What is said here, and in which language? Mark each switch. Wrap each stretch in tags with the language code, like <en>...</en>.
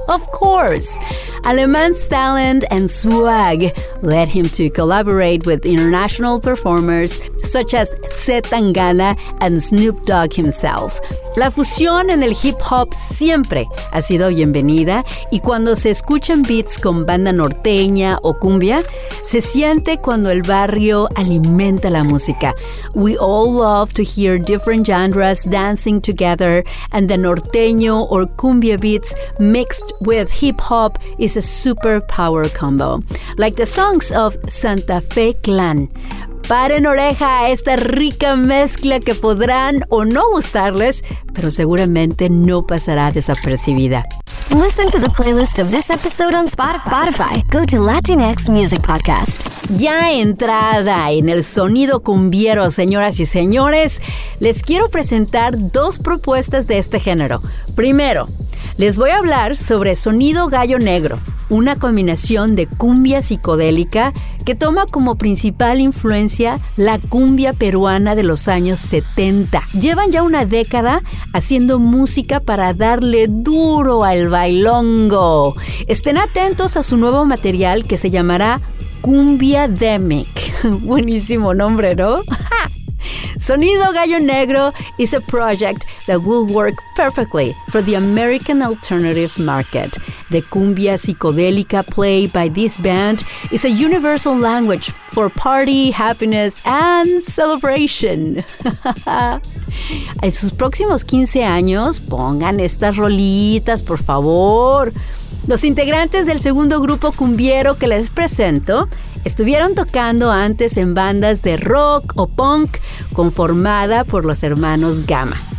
<en>Of course, Alemán's talent and swag led him to collaborate with international performers such as C. Tangana and Snoop Dogg himself.</en> <es>La fusión en el hip-hop siempre ha sido bienvenida y cuando se escuchan beats con banda norteña o cumbia, se siente cuando el barrio alimenta la música.</es> <en>We all love to hear different genres dancing together and the norteño or cumbia beats mixed with hip-hop is a super power combo. Like the songs of Santa Fe Clan.</en> <es>Paren oreja a esta rica mezcla que podrán o no gustarles, pero seguramente no pasará desapercibida.</es> <en>Listen to the playlist of this episode on Spotify. Go to Latinx Music Podcast.</en> <es>Ya entrada en el sonido cumbiero, señoras y señores, les quiero presentar dos propuestas de este género. Primero, les voy a hablar sobre Sonido Gallo Negro, una combinación de cumbia psicodélica que toma como principal influencia la cumbia peruana de los años 70. Llevan ya una década haciendo música para darle duro al bailongo. Estén atentos a su nuevo material que se llamará Cumbia Demic. Buenísimo nombre, ¿no?</es> <en>Sonido Gallo Negro is a project that will work perfectly for the American alternative market. The cumbia psicodélica played by this band is a universal language for party, happiness, and celebration.</en> <es>En sus próximos 15 años, pongan estas rolitas, por favor. Los integrantes del segundo grupo cumbiero que les presento estuvieron tocando antes en bandas de rock o punk conformada por los hermanos Gama.</es>